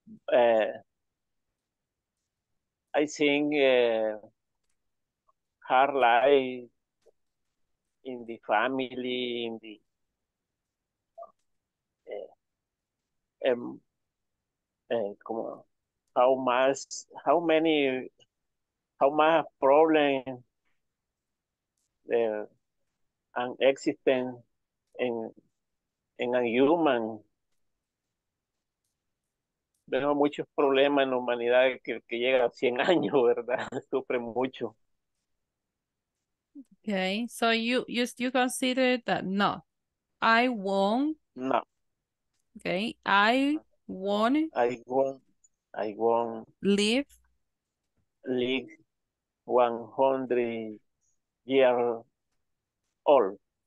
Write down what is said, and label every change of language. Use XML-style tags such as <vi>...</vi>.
<en>I think hard life in the family, in the how much problem and existing in a human.</en> <es>Veo muchos problemas en la humanidad que llega a 100 años, ¿verdad? Sufre mucho.</es> <en>Okay, so you consider that no, I won't. No. Okay, Won. I won't Live. live 100 years old.</en>